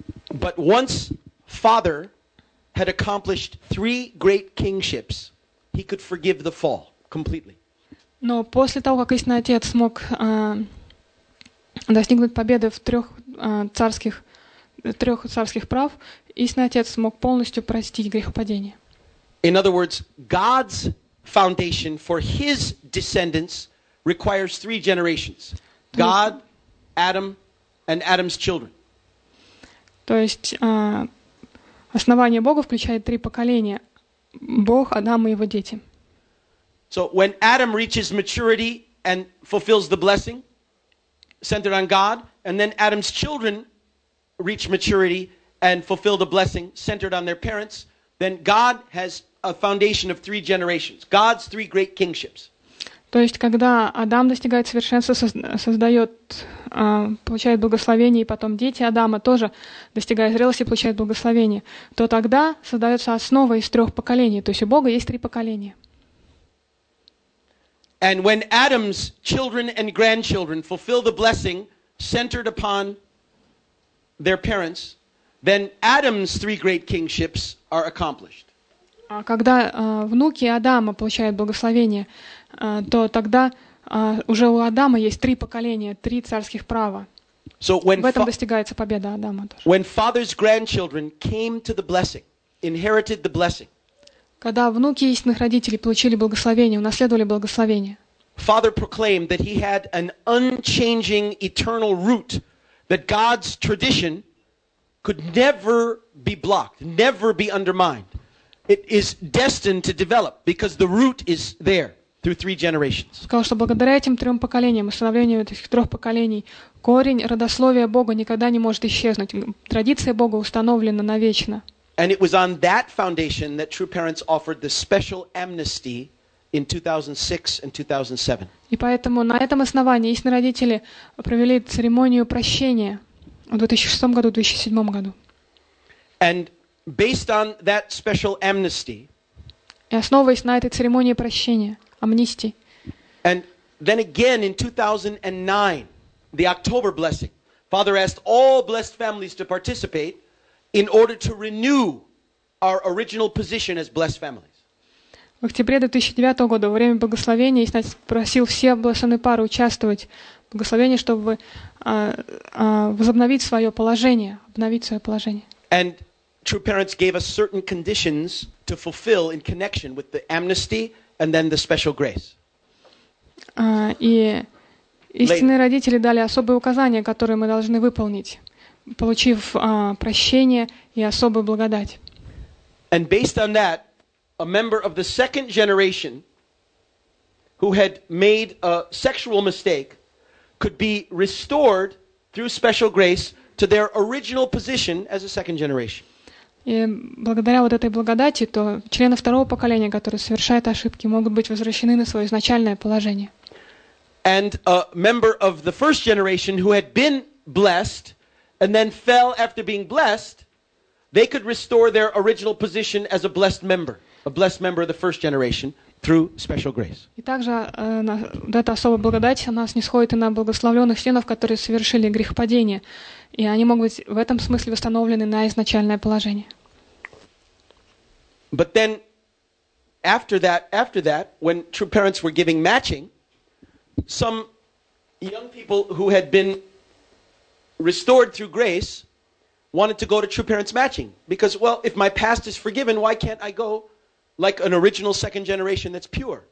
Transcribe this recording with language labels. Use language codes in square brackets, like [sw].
[en] But once Father had accomplished three great kingships, he could forgive the fall completely. [ru] Но после того, как истинный отец смог достигнуть победы в трех царских прав, истинный отец смог полностью простить грехопадение. [en] In other words, God's foundation for his descendants requires three generations: God, Adam, and Adam's children. [ru] То есть основание Бога включает три поколения: Бог, Адам и его дети. [en] So when Adam reaches maturity and fulfills the blessing centered on God, and then Adam's children reach maturity and fulfill the blessing centered on their parents, then God has a foundation of three generations, God's three great kingships. [ru] То есть, когда Адам достигает совершенства, создает, получает благословение, и потом дети Адама тоже, достигая зрелости, получают благословение, то тогда создается основа из трех поколений. То есть у Бога есть три поколения. [en] And when Adam's children and grandchildren fulfill the blessing centered upon their parents, then Adam's three great kingships are accomplished. [ru] Когда внуки Адама получают благословение, то тогда уже у Адама есть три поколения, три царских права. [en] So when [ru] в этом достигается победа Адама тоже. [en] When father's grandchildren came to the blessing, inherited the blessing. [ru] Когда внуки истинных родителей получили благословение, унаследовали благословение. [en] Father proclaimed that he had an unchanging eternal root, that God's tradition could never be blocked, never be undermined. It is destined to develop because the root is there through three generations. [ru] Сказал, что благодаря этим трем поколениям, установлению этих трех поколений, корень родословия Бога никогда не может исчезнуть. Традиция Бога установлена навечно. [en] And it was on that foundation that true parents offered the special amnesty in 2006 and 2007. [ru] И поэтому на этом основании истинные родители провели церемонию прощения в 2006 году, 2007 году. [en] And based on that special amnesty. [ru] И основываясь на этой церемонии прощения, амнистии. [en] And then again in 2009, the October blessing, Father asked all blessed families to participate in order to renew our original position as blessed families. [ru] В октябре 2009 года во время благословения Иисус просил все благословенные пары участвовать в благословении, чтобы возобновить свое положение, обновить свое положение. [en] And true parents gave us certain conditions to fulfill in connection with the amnesty and then the special grace. [ru] И истинные родители дали особые указания, которые мы должны выполнить, получив прощение и особую благодать. [en] And based on that, a member of the second generation who had made a sexual mistake could be restored through special grace to their original position as a second generation. [ru] И благодаря вот этой благодати, то члены второго поколения, которые совершают ошибки, могут быть возвращены на свое изначальное положение. [en] And a member of the first generation who had been blessed and then fell after being blessed, they could restore their original position as a blessed member of the first generation through special grace. [ru] И также эта особая благодать, она снисходит и на благословленных членов, которые совершили грехопадение, и они могут быть в этом смысле восстановлены на изначальное положение. [en] But then, after that, when true parents were giving matching, some young people who had been restored through grace wanted to go to true parents matching because, well, if my past is forgiven, why can't I go like an original second generation that's pure?